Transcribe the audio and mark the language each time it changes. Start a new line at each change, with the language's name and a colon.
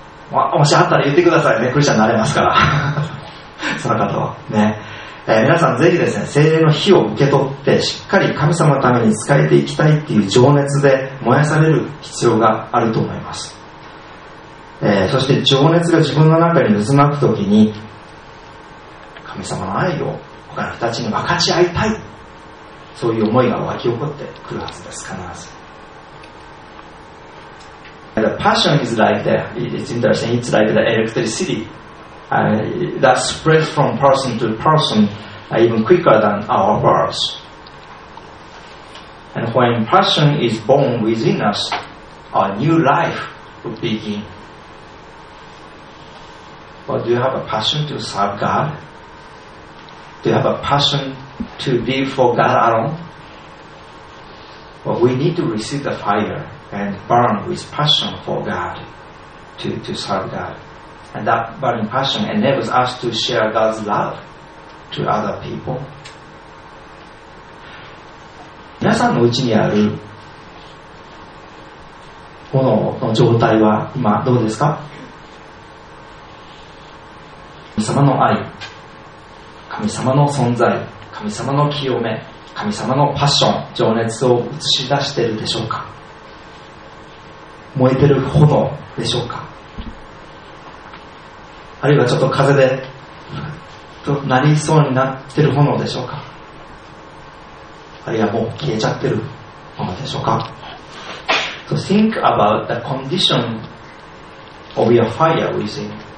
Japanese: もしあったら言ってくださいね。クリスチャンになれますから。その方はね、皆さんぜひですね、聖霊の火を受け取ってしっかり神様のために仕えていきたいっていう情熱で燃やされる必要があると思います。そして情熱が自分の中に渦巻くときに、神様の愛を他の人たちに分かち合いたい、そういう思いが湧き起こってくるはずです。必ず。
English: The passion is like the, it's interesting, it's like the electricity that spreads from person to person even quicker than our words. And when passion is born within us, a new life will begin. But do you have a passion to serve God? Do you have a passion to be for God alone? Well, we need to receive the fire and burn with passion for God, to serve God. And that burning passion enables us to share God's love to other people.
Japanese: 皆さんのうちにあるものの状態は今どうですか？神様の愛、神様の存在、神様の清め、神様のパッション、情熱を映し出しているでしょうか？燃えてる炎でしょうか、あるいはちょっと風でとなりそうになってる炎でしょうか、あるいはもう消えちゃってるものでしょうか。
English: So think about the condition of your fire within.